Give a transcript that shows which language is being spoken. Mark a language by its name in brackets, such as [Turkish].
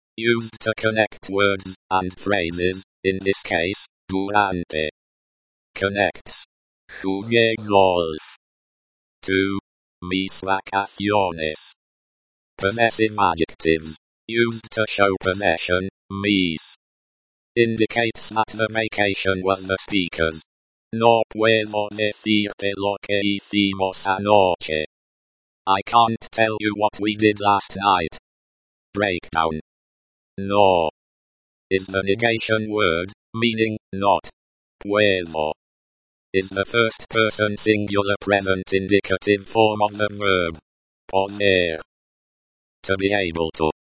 [English] Used to connect words and phrases, in this case, durante. Connects. [Spanish] Jugué golf. To. Mis vacaciones. [English] Possessive adjectives. Used to show possession, mis. Indicates that the vacation was the speaker's. [Spanish] No puedo decirte lo que hicimos anoche. [English] I can't tell you what we did last night. Breakdown. No. Is the negation word, meaning, not. Puedo. Is the first person singular present indicative form of the verb. Poner. To be able to.